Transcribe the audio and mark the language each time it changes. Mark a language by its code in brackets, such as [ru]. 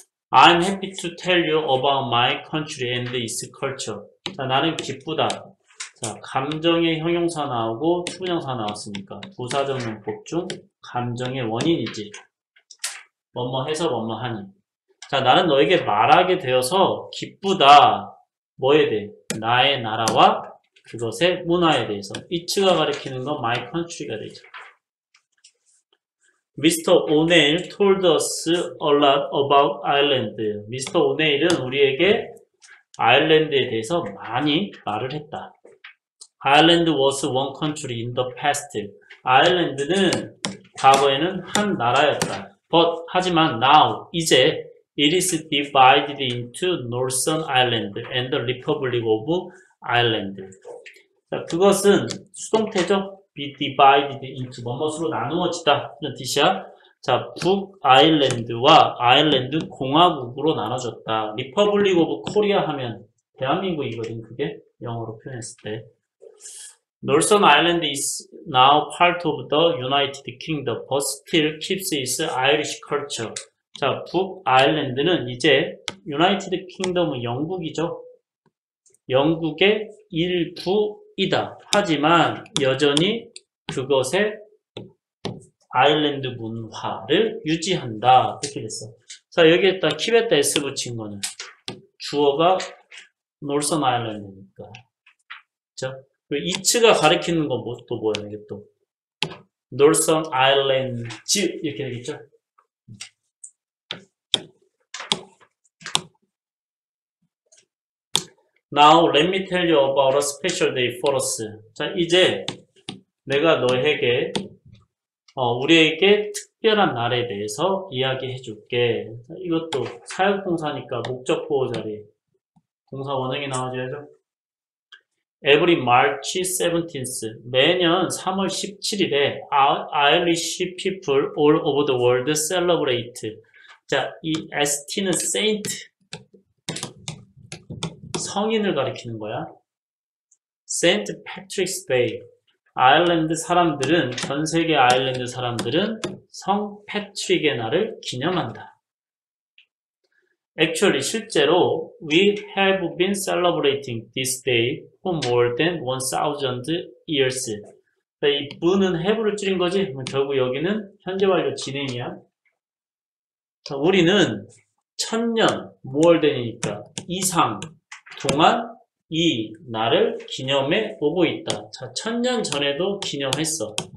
[en] I'm happy to tell you about my country and its culture. [ko] 자, 나는 기쁘다. 자, 감정의 형용사 나오고 추분형사 나왔으니까 부사정용법 중 감정의 원인이지. 뭐뭐 해서 뭐뭐 하니. 자, 나는 너에게 말하게 되어서 기쁘다. 뭐에 대해? 나의 나라와 그것의 문화에 대해서. 이츠가 가리키는 건 my country가 되죠. [en] Mr. O'Neill told us a lot about Ireland. Mr. [ko] O'Neill은 우리에게 아일랜드에 대해서 많이 말을 했다. [en] Ireland was one country in the past. [ko] 아일랜드는 과거에는 한 나라였다. [en] But, [ko] 하지만 [en] now, [ko] 이제 [en] it is divided into Northern Ireland and the Republic of Ireland. [ko] 자, 그것은 수동태죠. be divided into 무엇으로 나누어지다 이런 뜻이야. 자, 북아일랜드와 아일랜드 공화국으로 나눠졌다. Republic of Korea 하면 대한민국이거든. 그게 영어로 표현했을 때. [en] Northern Ireland is now part of the United Kingdom, but still keeps its Irish culture. [ko] 자, 북아일랜드는 이제 United Kingdom은 영국이죠. 영국의 일부 이다. 하지만 여전히 그것의 아일랜드 문화를 유지한다. 이렇게 됐어. 자, 여기에다 키베다 S 붙인 거는 주어가 Northern Ireland이니까. 자, 그리고 이츠가 가리키는 건 또 뭐야? 이게 또 Northern Ireland 이렇게 되겠죠? [en] Now, let me tell you about a special day for us. [ko] 자, 이제 내가 너에게, 우리에게 특별한 날에 대해서 이야기해 줄게. 자, 이것도 사역동사니까 목적 보호 자리에. 동사 원형이 나와줘야죠. [en] Every March 17th. [ko] 매년 3월 17일에 [en] Irish people all over the world celebrate. [ko] 자, 이 ST는 Saint. 성인을 가리키는 거야. Saint Patrick's Day. 아일랜드 사람들은, 전 세계 아일랜드 사람들은 성 패트릭의 날을 기념한다. [en] Actually, [ko] 실제로, [en] we have been celebrating this day for more than 1000 years. [ko] 이 분은 have를 줄인 거지? 결국 여기는 현재 완료 진행이야. 우리는 1000년, more than이니까, 이상, 동안 이 날을 기념해 오고 있다. 자, 1000년 전에도 기념했어.